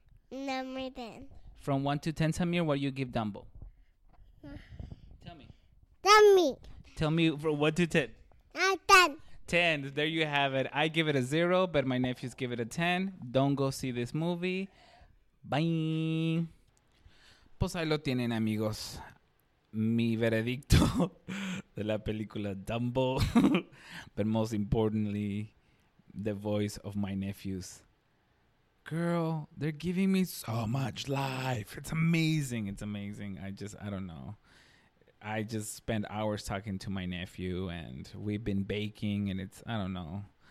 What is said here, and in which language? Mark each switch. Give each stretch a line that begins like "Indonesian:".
English: Number 10. From 1 to 10, Samir, what do you give Dumbo? Tell me. Tell me from 1 to 10. 10. 10. There you have it. I give it a 0, but my nephews give it a 10. Don't go see this movie. Bye.
Spanish: Pues ahí lo tienen, amigos. Mi veredicto de la película Dumbo.
English: But most importantly, the voice of my nephews. Girl, they're giving me so much life. It's amazing. It's amazing. I don't know. I just spent hours talking to my nephew, and we've been baking, and it's, I don't know.